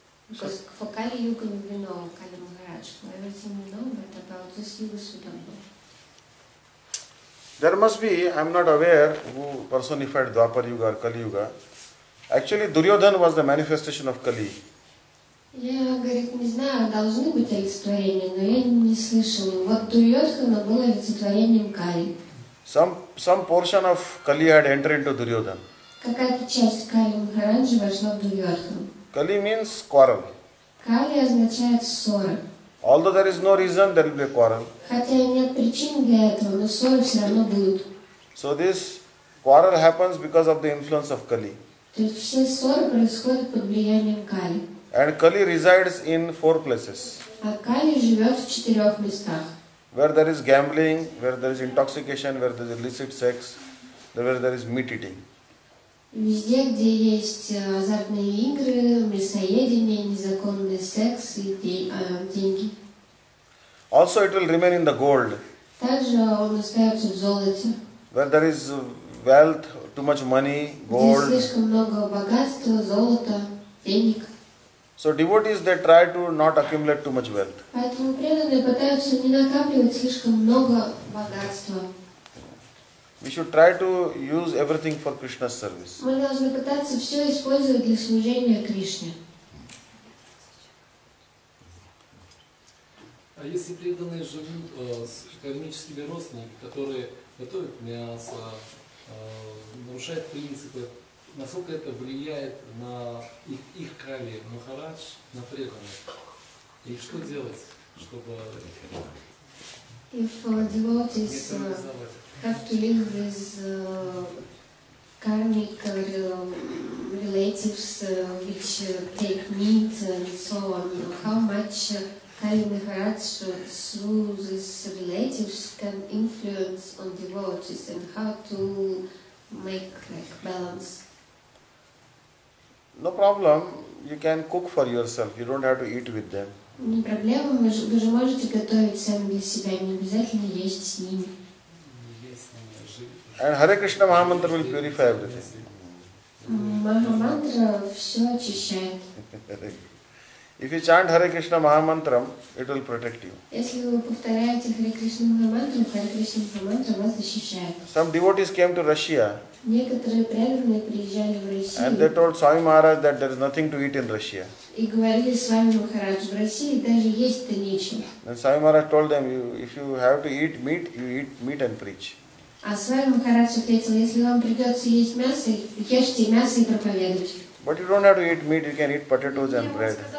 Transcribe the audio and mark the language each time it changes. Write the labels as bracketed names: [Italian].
[English] Because for Kali Yuga we know Kali Maharaj, for everything we know, but about this Yuga Sutambha. There must be, I'm not aware who personified Dvapara Yuga or Kali Yuga. Actually, Duryodhan was the manifestation of Kali. [Russian] Я говорит, не знаю, должны быть олицетворения, но я не слышал. Вот Дурьодхана было олицетворением Кали. [English] Some portion of Kali had entered into Duryodhan. [Russian] Какая-то часть Кали Махараджи вошла в Дурьодхан. [English] Kali means quarrel. [Russian] Кали означает ссора. [English] Although there is no reason, there will be a quarrel. [Russian] Хотя нет причин для этого, но ссоры все равно будут. [English] So this quarrel happens because of the influence of Kali. [Russian] То есть все ссоры происходят под влиянием Кали. [English] And Kali resides in four places. [Russian] А Кали живет в четырех местах. [English] Where there is gambling, where there is intoxication, where there is illicit sex, where there is meat eating. [Russian] Везде, где есть азартные игры, мясоедение, незаконный секс и деньги. [English] Also it will remain in the gold. [Russian] Также он остается в золоте. [English] Where there is wealth, too much money, gold. [Russian] Здесь слишком много богатства, золота, денег. [English] So devotees, they try to not accumulate too much wealth. [Russian] Поэтому преданные пытаются не накапливать слишком много богатства. [English] We should try to use everything for Krishna's service. [Russian] Мы должны пытаться все использовать для служения Кришне. А если преданные живут с кармическими родственниками, которые готовят мясо, нарушают принципы, насколько это влияет на их кали, Махарадж, на преданных? И что делать, чтобы... [English] Have to live with karmic relatives which take meat and so on. How much Kali Maharaj through these relatives can influence on devotees and how to make balance? No problem. you can cook for yourself, you don't have to eat with them. [Russian] Не проблема, вы же можете готовить сами для себя, не обязательно есть с ними. [English] And Hare Krishna Mahamantra will purify everything. [Russian] Mahamantra все очищает. [English] If you chant Hare Krishna Mahamantra, it will protect you. [Russian] Если вы повторяете Hare Krishna Mahamantra, Hare Krishna Mahamantra вас защищает. [English] Some devotees came to Russia. [Russian] Некоторые преданные приезжали в Россию. [English] And they told Swami Maharaj that there is nothing to eat in Russia. [Russian] И говорили Свами Махарадж, в России даже есть-то нечего. [English] And Swami Maharaj told them, if you have to eat meat, you eat meat and preach. [Russian] А Свами Махарадж ответил, если вам придется есть мясо, ешьте мясо и проповедуйте. [English] But you don't have to eat meat, you can eat potatoes and bread.